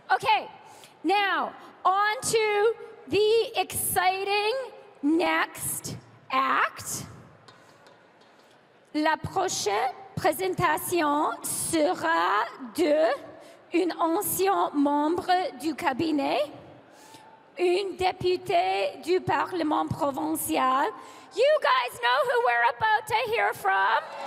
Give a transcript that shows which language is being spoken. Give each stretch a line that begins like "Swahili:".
English: Okay, now on to the exciting next act.
French: La prochaine présentation sera de une ancienne membre du cabinet, une députée du Parlement provincial.
English: You guys know who we're about to hear from?